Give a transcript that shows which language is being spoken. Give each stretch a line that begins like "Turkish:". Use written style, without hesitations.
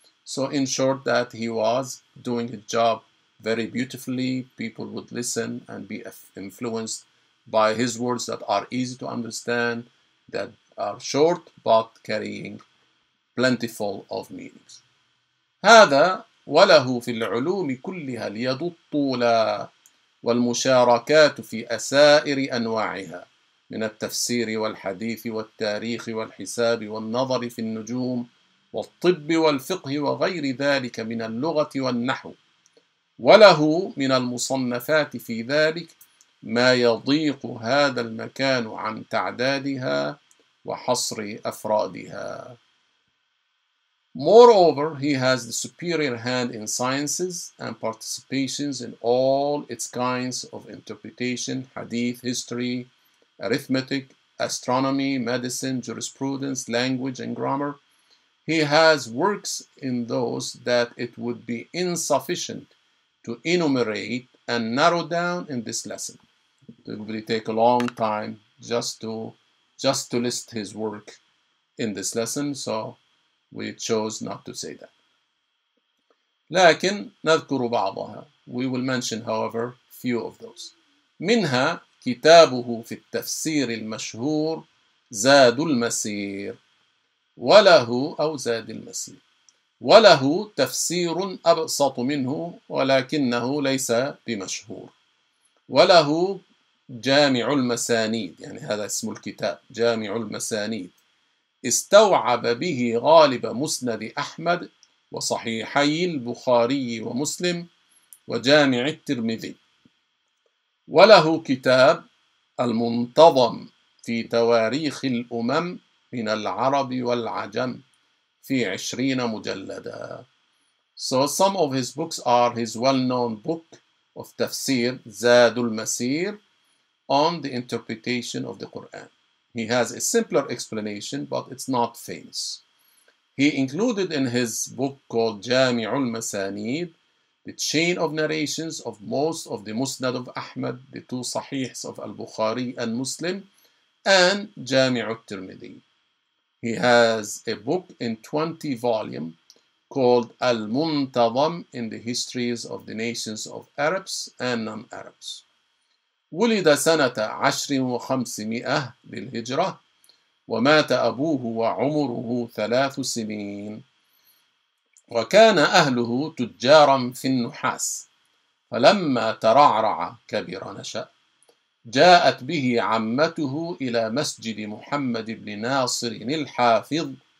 English: So in short, that he was doing his job very beautifully. People would listen and be influenced by his words that are easy to understand, that are short but carrying plentiful of meanings.
Arabic: هذا وله في العلوم كلها اليد الطولى والمشاركات في أسائر أنواعها من التفسير والحديث والتاريخ والحساب والنظر في النجوم والطب والفقه وغير ذلك من اللغة والنحو وله من المصنفات في ذلك ما يضيق هذا المكان عن تعدادها وحصر أفرادها.
English: Moreover, he has the superior hand in sciences and participations in all its kinds of interpretation, hadith, history, arithmetic, astronomy, medicine, jurisprudence, language, and grammar. He has works in those that it would be insufficient to enumerate and narrow down in this lesson. It would take a long time just to list his work in this lesson, so we chose not to say that.
Arabic: لكن نذكر بعضها.
English: We will mention, however, few of those.
Arabic: منها كتابه في التفسير المشهور زاد المسير وله أو زاد المسير وله تفسير أبسط منه ولكنه ليس بمشهور وله جامع المسانيد يعني هذا اسم الكتاب جامع المسانيد استوعب به غالب مسند أحمد وصحيحي البخاري ومسلم وجامع الترمذي وله كتاب المنتظم في تواريخ الأمم من العرب والعجم في 20 مجلدا.
English: So some of his books are his well-known book of tafsir زاد المسير on the interpretation of the Quran. He has a simpler explanation, but it's not famous. He included in his book called Jami'ul Masanid the chain of narrations of most of the Musnad of Ahmad, the two Sahihs of Al-Bukhari and Muslim, and Jami'ul Tirmidhi. He has a book in 20 volume called Al-Muntadham in the histories of the nations of Arabs and non-Arabs.
Arabic: ولد سنة 1500 للهجرة ومات أبوه وعمره 3 سنين وكان أهله تجارا في النحاس فلما ترعرع كبر نشأ جاءت به عمته إلى مسجد محمد بن ناصر الحافظ